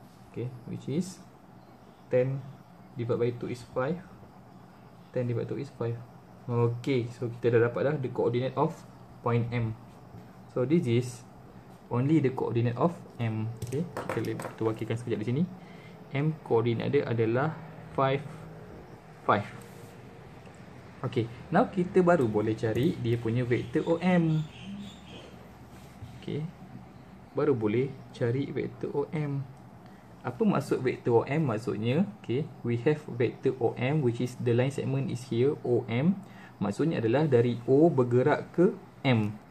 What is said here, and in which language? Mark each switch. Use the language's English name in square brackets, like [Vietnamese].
[English] Okay, which is 10 divided by 2 is 5. 10 divided by 2 is 5. Okay, so [Malay] kita dah dapat dah [English] the coordinate of point M. So this is only the coordinate of M. [Malay] Okay, kita boleh wakilkan sekejap di sini. M coordinate dia adalah 5. Okay, now kita baru boleh cari dia punya vektor OM. Okay, baru boleh cari vektor OM. Apa maksud vektor OM? Maksudnya, [English] okay, we have vektor OM, which is the line segment is here, OM. [Malay] Maksudnya adalah dari O bergerak ke M.